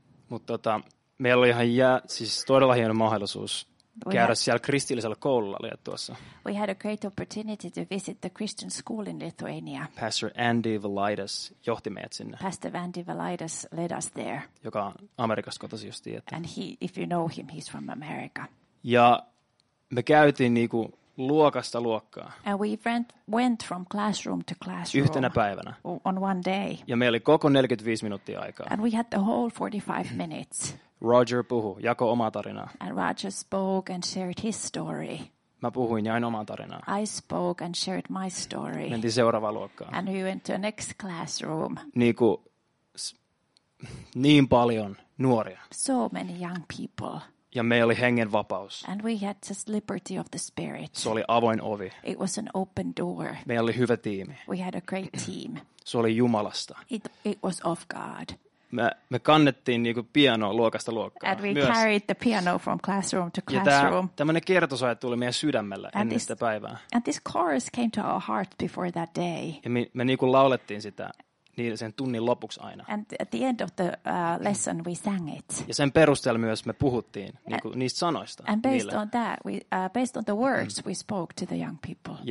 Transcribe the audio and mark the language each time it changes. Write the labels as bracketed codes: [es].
[fi] Mutta meillä oli ihan siis todella hieno mahdollisuus käydä siellä kristillisellä koululla Liettuassa. [en] We had a great opportunity to visit the Christian school in Lithuania. [fi] Pastor Andy Valaitis johti meidät sinne. [en] Pastor Andy Valaitis led us there. [fi] Joka on Amerikasta kotoisin justiin. Että. [en] And he, if you know him, he's from America. [fi] Ja me käytiin niinku luokasta luokkaa. [en] And we went from classroom to classroom. [fi] Yhtenä päivänä. [en] On one day. [fi] Ja meillä oli koko 45 minuuttia aikaa. [en] And we had the whole 45 minutes. [fi] Roger puhu, jako omaa tarinaa. [en] And Roger spoke and shared his story. [fi] Mä puhuin ja aina omaa tarinaa. [en] I spoke and shared my story. [fi] Mentiin seuraavaan luokkaan. [en] And we went to the next classroom. [fi] Niin paljon nuoria. [en] So many young people. [fi] Ja meillä oli hengen vapaus. [en] And we had just liberty of the spirit. [fi] Se oli avoin ovi. [en] It was an open door. [fi] Meillä oli hyvä tiimi. [en] We had a great team. [fi] Se oli Jumalasta. [en] It was of God. [fi] Me kannettiin niinku pianoa luokasta luokkaan. [en] And we carried the piano from classroom to classroom. [fi] Ja tämmöinen kertosaja tuli meidän sydämelle ennen sitä päivää. [en] And this chorus came to our heart before that day. [fi] Ja me niinku laulettiin sitä niin sen tunnin lopuksi aina. [en] And at the end of the lesson we sang it. [fi] Ja sen perusteella myös me puhuttiin niinku niistä sanoista. [en] And based on that, based on the words we spoke to the young people.